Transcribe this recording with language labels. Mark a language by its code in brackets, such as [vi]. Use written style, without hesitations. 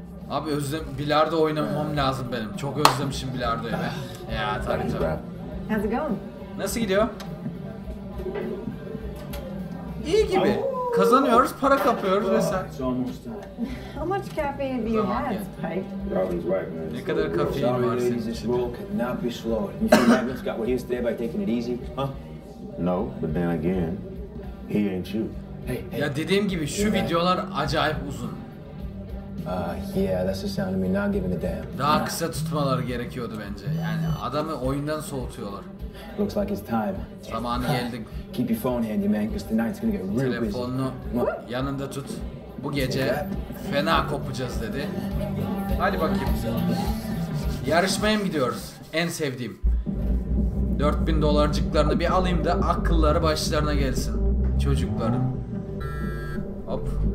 [tr] Abi özlem, bilardo oynamam lazım benim. Çok özlemişim bilardoyu be. Ya tabii tabii. Nasıl gidiyor? İyi gibi. Kazanıyoruz, para kapıyoruz vesaire. [en] How much caffeine do you have, Spike? [tr] Ne kadar kafein var senin için? [en] Not be slow. You think Magnus got what he's there by taking it easy? Huh? No, but then again, he ain't you. [tr] Hey, ya dediğim gibi şu videolar acayip uzun. [en] Yeah, that's the sound of me not giving a damn. [tr] Daha kısa tutmaları gerekiyordu bence. Yani adamı oyundan soğutuyorlar. [en] Looks like it's time. [tr] Zamanı geldi. [en] Keep your phone handy, man, because tonight's gonna get real busy. [tr] Telefonunu yanında tut. Bu gece fena kopacağız dedi. Hadi bakayım. Yarışmaya mı gidiyoruz? En sevdiğim. 4000 dolarcıklarını bir alayım da akılları başlarına gelsin. Çocukların. Hop.